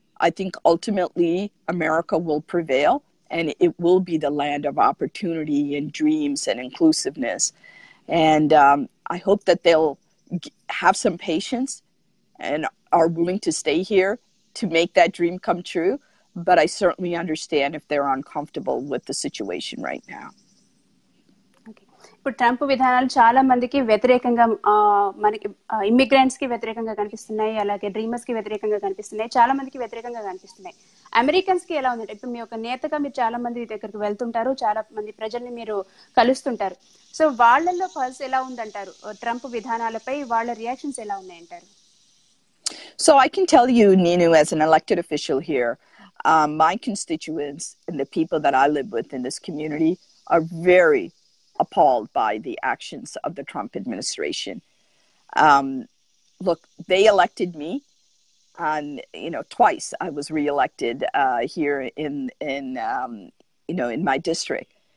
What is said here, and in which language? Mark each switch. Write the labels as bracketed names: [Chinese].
[English] I think ultimately America will prevail and it will be the land of opportunity and dreams and inclusiveness. And I hope that they'll have some patience and are willing to stay here to make that dream come true. But I certainly understand if they're uncomfortable with the situation right now. Okay. [Telugu] ఇప్పుడు Trump విధానాలు చాలా మందికి వ్యతిరేకంగా మనకి immigrants కి వ్యతిరేకంగా కనిపిస్తున్నాయి, అలాగే డ్రీమర్స్ కి వ్యతిరేకంగా కనిపిస్తున్నాయి, చాలా మందికి వ్యతిరేకంగా కనిపిస్తున్నాయి. అమెరికన్స్ కి ఎలా ఉందంటే, ఇప్పుడు మీ ఒక నేతగా మీరు చాలా మంది దగ్గరకు వెళ్తుంటారు, చాలా మంది ప్రజల్ని మీరు కలుస్తుంటారు, సో వాళ్ళల్లో పల్స్ ఎలా ఉందంటారు, ట్రంప్ విధానాలపై వాళ్ళ రియాక్షన్స్ ఎలా ఉన్నాయంటారు? [English] So I can tell you, నేను as an elected official here, my constituents and the people that I live with in this community are very appalled by the actions of the Trump administration. Look, they elected me on, twice I was reelected here in my district.